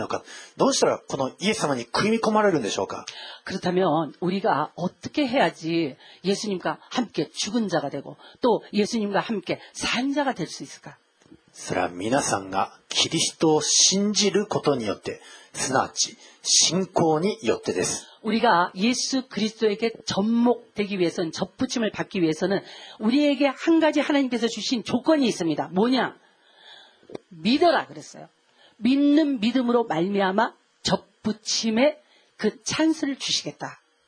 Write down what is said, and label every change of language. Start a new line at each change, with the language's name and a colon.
Japanese: どのようにしてこのキリストと私たちつながることができるのか、どうしたらこのイエス様に組み込まれるんでしょうか。
Korean: 그렇다면 우리가 어떻게 해야지 예수님과 함께 죽은 자가 되고 또 예수님과 함께 산 자가 될 수 있을까?
Japanese: それは皆さんがキリストを信じることによって、すなわち信仰によってです。
Korean: 우리가 예수 그리스도에게 접목되기 위해서는 접붙임을 받기 위해서는 우리에게 한 가지 하나님께서 주신 조건이 있습니다. 뭐냐? 믿어라 그랬어요. 믿는 믿음으로 말미암아 접붙임에 그 찬스를 주시겠다.